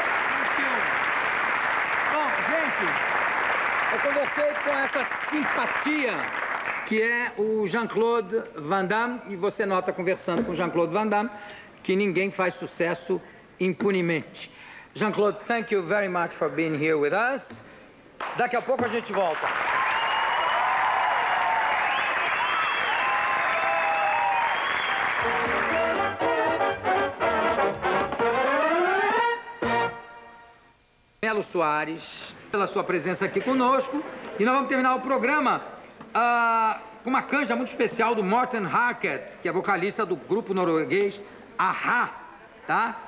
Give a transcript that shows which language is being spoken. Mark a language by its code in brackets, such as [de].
[en] Thank you. [pt] Oh, gente. Eu conversei com essa simpatia que é o Jean-Claude Van Damme, e você nota, conversando com Jean-Claude Van Damme, que ninguém faz sucesso impunemente. [en] Jean-Claude, thank you very much for being here with us. [pt] Daqui a pouco a gente volta. Melo Soares, pela sua presença aqui conosco. E nós vamos terminar o programa com uma canja muito especial do Morten Harket, que é vocalista do grupo norueguês A-ha, tá?